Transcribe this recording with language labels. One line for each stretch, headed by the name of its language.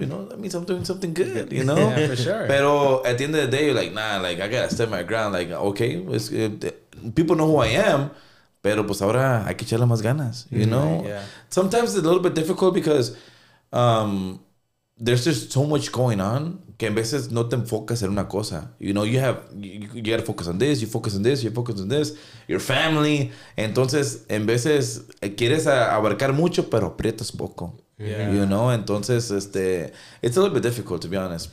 English: You know, that means I'm doing something good, you know. Yeah, for sure. Pero at the end of the day, you're like, nah, like, I gotta stand my ground. Like, okay. People know who I am.
Spanish: Pero pues ahora hay que echarle más ganas, you know.
English: Right, yeah. Sometimes it's a little bit difficult because there's just so much going on.
Spanish: Que en veces no te enfocas en una cosa.
English: You know, you gotta focus on this, you focus on this, you focus on this, your family.
Spanish: Entonces, en veces quieres abarcar mucho, pero aprietas poco.
English: Yeah. You know,
Spanish: entonces,
English: it's a little bit difficult, to be honest.